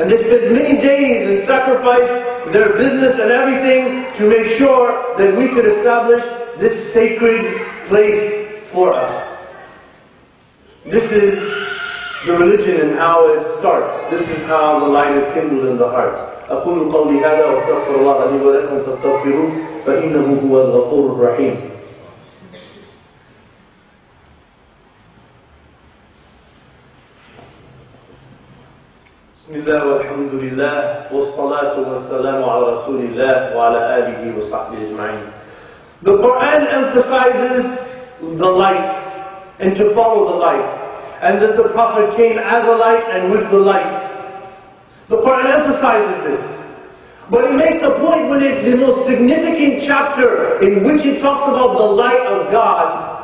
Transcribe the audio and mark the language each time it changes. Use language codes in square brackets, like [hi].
[en] And they spent many days and sacrificed their business and everything to make sure that we could establish this sacred place for us. This is the religion and how it starts. This is how the light is kindled in the hearts. [ar] أقول قولي هذا واستغفر الله لي ولكم فاستغفروه فإنه هو الغفور الرحيم. بسم الله والحمد لله والصلاة والسلام على رسول الله وعلى آله وصحبه أجمعين. [en] The Quran emphasizes the light and to follow the light, and that the Prophet came as a light and with the light. The Quran emphasizes this. But it makes a point when it's the most significant chapter in which it talks about the light of God.